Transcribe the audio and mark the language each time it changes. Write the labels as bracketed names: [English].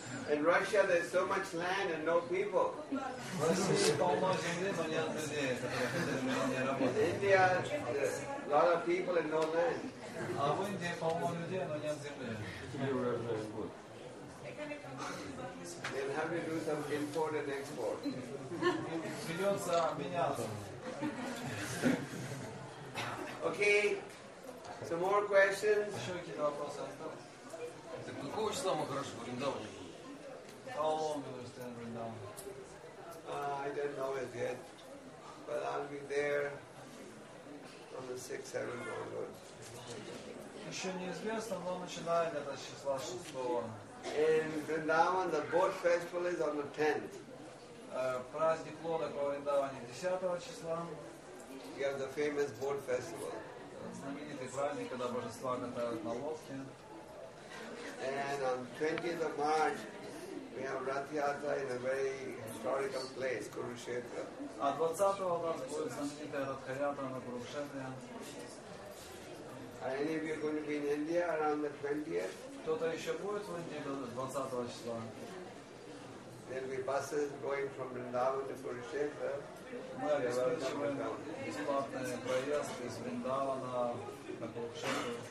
[English] In Russia there's so much land and no people. In India, a lot of people and no land. [Russian] А в Индии полно людей, но нет земли. [English] They'll have to do some import and export. [Russian] Придется обменяться. [English] Okay. Some more questions. [Russian] Еще какие-то вопросы осталось? Так какого числа мы хорошо будем давать? [English] How long will you stand right now? I don't know it yet, but I'll be there on the 6-7 onwards. [Russian] Еще неизвестно, но начинает это число 6-го. [English] In Vrindavan, the boat festival is on the 10th. [Russian] Праздник лодок во Вриндаване 10-го числа. [English] We have the famous boat festival. [Russian] Знаменитый праздник, когда божества катают на лодке. [English] And on 20th of March, we have Rath Yatra in a very historical place, Kurukshetra. [Russian] А 20-го у нас будет знаменитая Ратха Ятра на Курукшетре. [English] Are any of you going to be in India around the 20th? [Russian] Кто-то еще будет в Индии 20-го числа? [English] There'll be buses going from Vrindavan to Kurukshetra. [Russian] Мы обеспечиваем бесплатный проезд из Вриндавана на Курукшетру.